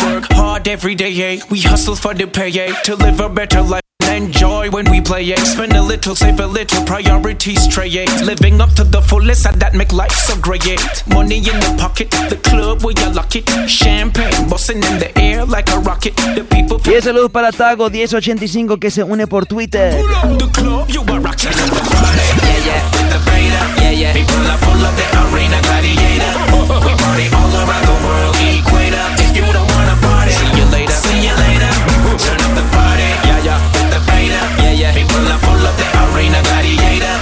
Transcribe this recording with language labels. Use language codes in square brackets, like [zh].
[en] We work hard every day, yeah. We hustle for the pay, yeah. To live a better life. Enjoy when we play, yeah. Spend a little, save a little, priorities tray, yeah. Living up to the fullest, and that make life so great, yeah. Money in the pocket, the club where you lock it. Champagne, bossing in the air like a rocket. The people [es] from... Y saludos para Tago 1085 que se une por Twitter. [en] The club, you are rocking. Yeah, yeah, with the fader. Yeah, yeah, people are full of the arena gladiator. We party all around the world, equator. If you don't wanna party, see you later. See you later. Turn up the party. Yeah, yeah. Yeah, yeah. People are full of the arena gladiator.